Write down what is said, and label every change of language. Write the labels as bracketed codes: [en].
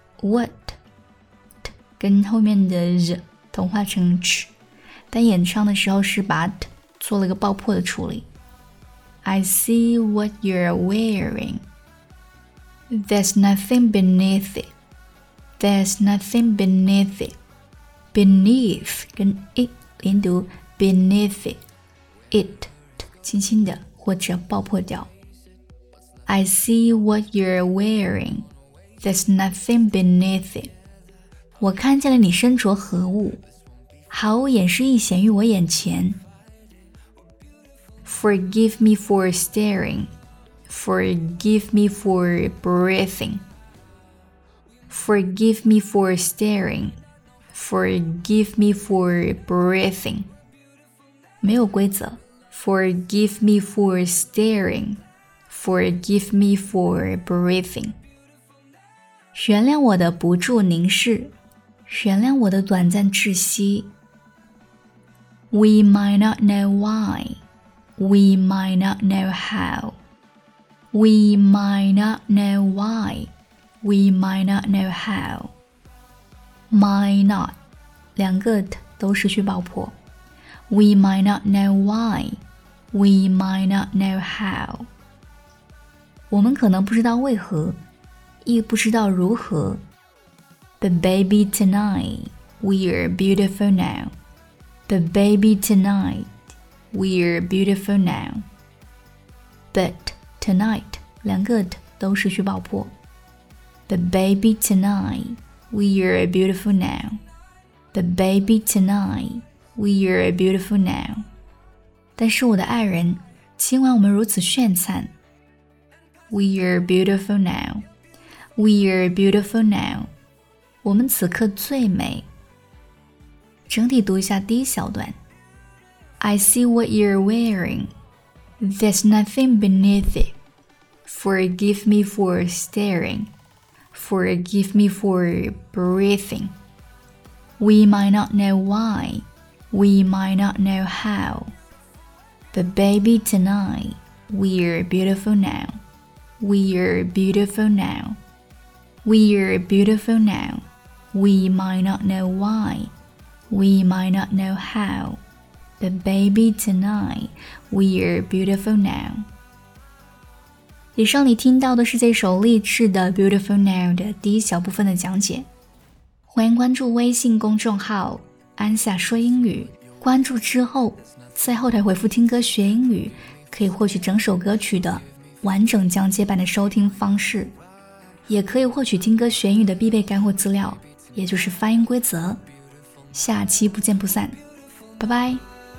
[zh] What 跟后面的 z 同化成 ch， 但演唱的时候是把 t做了个爆破的处理。 [en] I see what you're wearing, there's nothing beneath it. There's nothing beneath it. Beneath [zh] 跟 [en] it [zh] 连读 [en] beneath it. [zh] It 轻轻的或者爆破掉。 [en] I see what you're wearing, there's nothing beneath it. [zh] 我看见了你身着何物，毫无掩饰亦显于我眼前。 [en] Forgive me for staring. Forgive me for breathing. Forgive me for staring. Forgive me for breathing. [zh] 没有规则。 [en] Forgive me for staring. Forgive me for breathing. [zh] 原谅我的不住凝视，原谅我的短暂窒息。 [en] We might not know why. We might not know how. We might not know why. We might not know how. Might not. [zh] 两个 t 都失去爆破。 [en] We might not know why. We might not know how. [zh] 我们可能不知道为何，亦不知道如何。 [en] But baby tonight, we're beautiful now. But baby tonight. We're beautiful now. But tonight, [zh] 两个 t 都失去爆破。 [en] But baby tonight, we're beautiful now. But baby tonight, we're beautiful now. [zh] 但是我的爱人，今晚我们如此炫灿。 [en] We're beautiful now. We're beautiful now. [zh] 我们此刻最美。整体读一下第一小段。 [en] I see what you're wearing. There's nothing beneath it. Forgive me for staring. Forgive me for breathing. We might not know why. We might not know how. But baby tonight, we're beautiful now. We're beautiful now. We're beautiful now. We might not know why. We might not know how. But baby tonight, we're beautiful now. [zh] 以上你听到的是这首励志的 Beautiful Now 的第一小部分的讲解。欢迎关注微信公众号安夏说英语，关注之后在后台回复听歌学英语，可以获取整首歌曲的完整讲解版的收听方式，也可以获取听歌学英语的必备干货资料，也就是发音规则。下期不见不散，拜拜。